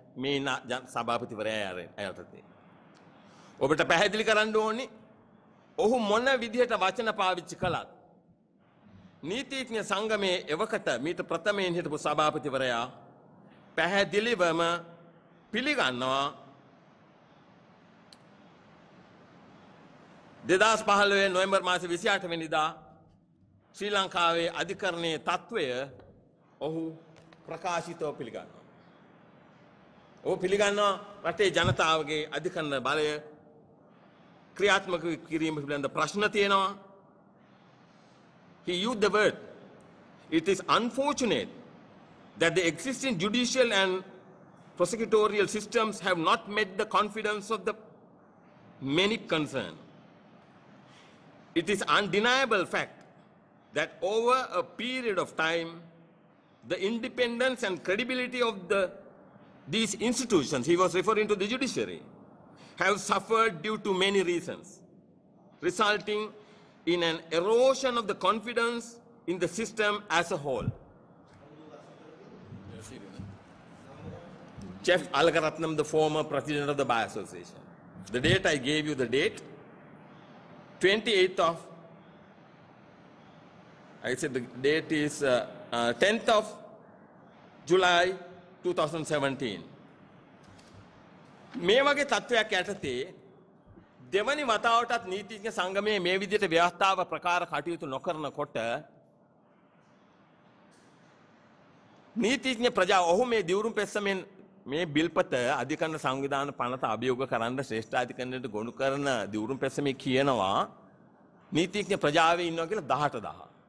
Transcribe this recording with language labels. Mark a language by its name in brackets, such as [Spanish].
[Sinhala] මේ සභාපතිවරයා ඇරෙයි. ඔබට පැහැදිලි කරන්න ඕනේ ඔහු මොන විදිහට වචන පාවිච්චි කළත් නීතිඥ සංගමයේ එවකට මීට ප්‍රථමයෙන් හිටපු සභාපතිවරයා පැහැදිලිවම පිළිගන්නවා 2015 නොවැම්බර් මාසේ 28 වෙනිදා ශ්‍රී ලංකාවේ අධිකරණයේ තත්වය ඔහු ප්‍රකාශිතව පිළිගන්නවා. ඔහු පිළිගන්නවා රටේ ජනතාවගේ අධිකරණ බලය ක්‍රියාත්මක කිරීම පිළිබඳ ප්‍රශ්න තියෙනවා. [English] He used the word, "It is unfortunate that the existing judicial and prosecutorial systems have not met the confidence of the many concerned. It is undeniable fact that over a period of time, the independence and credibility of these institutions," he was referring to the judiciary, "have suffered due to many reasons, resulting in an erosion of the confidence in the system as a whole." Jeff Alagaratnam, the former president of the Bar Association. The date I gave you, the date, 28th of, I said the date is 10th of July 2017. [Sinhala] මේ වගේ තත්ත්වයක් යටතේ දෙවනි වතාවටත් නීතිඥ සංගමයේ මේ විදිහට ව්‍යවස්ථාව ප්‍රකාර කටයුතු නොකරනකොට නීතිඥ ප්‍රජාව ඔහු මේ දිවුරුම් පෙස්සමෙන් මේ බිල්පත අධිකරණ සංවිධාන පනත අභියෝග කරන්න ශ්‍රේෂ්ඨාධිකරණයට ගොනු කරන දිවුරුම් පෙස්සමේ කියනවා නීතිඥ ප්‍රජාවේ ඉන්නවා කියලා 18,000.